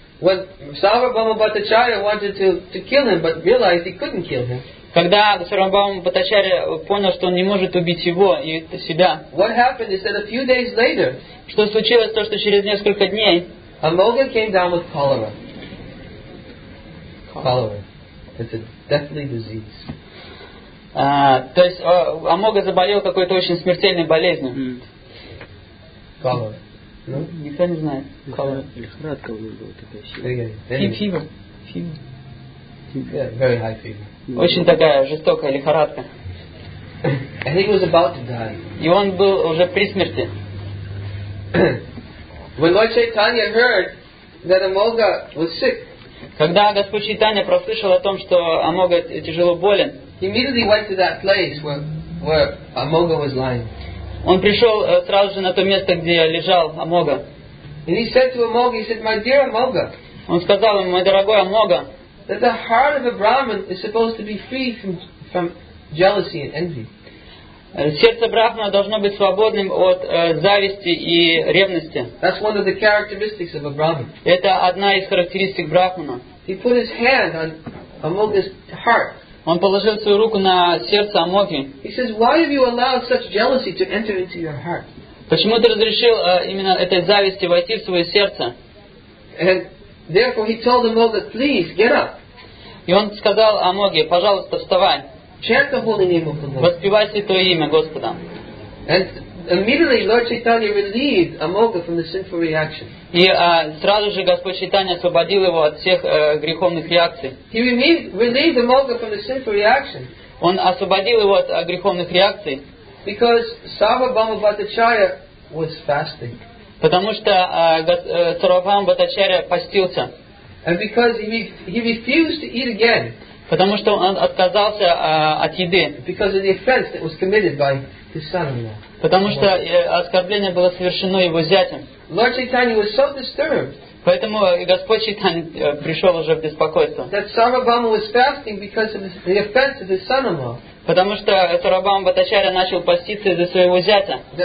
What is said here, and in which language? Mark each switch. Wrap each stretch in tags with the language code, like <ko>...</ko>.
<en>when Sarvabhauma Bhattacharya wanted to kill him, but realized he couldn't kill him.</en> <ru>Когда Сарвабхаума Бхаттачарья понял, что он не может убить его и себя.</ru> <en>What happened is that a few days later.</en> <ru>Что случилось то, что через несколько дней.</ru> <en>Amoga came down with cholera. Cholera. It's a deathly disease.</en> <ru>То есть Амога заболел какой-то очень смертельной болезнью.</ru> <en>Cholera.</en> <ru>Ну, никто не знает. Лихорадка у него была такая.</ru> <en>Fever. Yeah, very high fever.</en> <ru>Очень такая жестокая лихорадка.</ru> <en>And he was about to die.</en> <ru>И он был уже при смерти.</ru> <en>When Lord Chaitanya heard that Amoga was sick.</en> <ru>Когда Господь Чайтанья прослышал о том, что Амога тяжело болен.</ru> <en>He immediately went to that place where Amoga was lying.</en> <ru>Он пришел сразу же на то место, где лежал Амога.</ru> <en>And he said to Amoga, he said, "My dear Amoga."</en> <ru>Он сказал ему, мой дорогой Амога.</ru> <en>That the heart of a Brahmin is supposed to be free from jealousy and envy.</en> <ru>Сердце брахмана должно быть свободным от зависти и ревности.</ru> <en>That's one of the characteristics of a Brahmin.</en> <ru>Это одна из характеристик брахмана.</ru> <en>He put his hand on Amoga's heart.</en> <ru>Он положил свою руку на сердце Амоги.</ru> <en>He says, why have you allowed such jealousy to enter into your heart?</en> <ru>Почему ты разрешил именно этой зависти войти в свое сердце?</ru> <en>And therefore he told him, well, please get up.</en> <ru>И он сказал Амоги, пожалуйста, вставай.</ru> <en>Chant the holy name of the Lord.</en> <ru>Воспевай святое имя Господа.</ru> <en>And immediately Lord Chaitanya relieved Amoga from the sinful reaction.</en> <ru>И сразу же Господь Чайтанья освободил его от всех греховных реакций.</ru> <en>He relieved Amoga from the sinful reaction.</en> <ru>Он освободил его от греховных реакций.</ru> <en>Because Sarvabhauma Bhattacharya was fasting.</en> <ru>Потому что Сарвабхаума Бхаттачарья постился.</ru> <en>And because he refused to eat again.</en> <ru>Потому что он отказался от еды.</ru> <en>Because of the offense that was committed by his son-in-law.</en> <ru>Потому что оскорбление было совершено его зятем.</ru> <en>Lord Chaitanya was so disturbed.</en> <ru>Поэтому Господь Чайтанья пришел уже в беспокойство.</ru> <en>That Sarvabhauma was fasting because of the offense of his son-in-law.</en> <ru>Потому что Сарвабхаума Бхаттачарья начал поститься из-за своего зятя.</ru>